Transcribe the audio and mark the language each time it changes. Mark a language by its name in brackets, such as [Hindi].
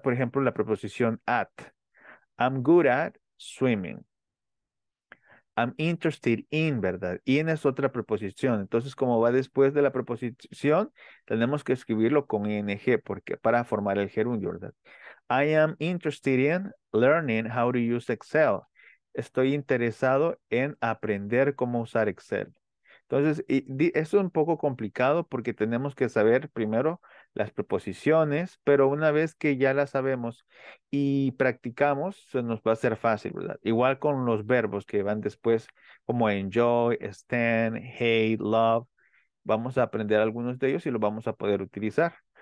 [Spanish] Por ejemplo, la preposición at. [English] I'm good at swimming. I'm interested in, [Spanish] ¿verdad? In es otra preposición. Entonces, como va después de la preposición, tenemos que escribirlo con ing porque para formar el gerundio, ¿verdad? [English] I am interested in learning how to use Excel. [Spanish] Estoy interesado en aprender cómo usar Excel. Entonces, eso es un poco complicado porque tenemos que saber primero las preposiciones, pero una vez que ya las sabemos y practicamos, se nos va a hacer fácil, ¿verdad? Igual con los verbos que van después, como enjoy, stand, hate, love, vamos a aprender algunos de ellos y los vamos a poder utilizar.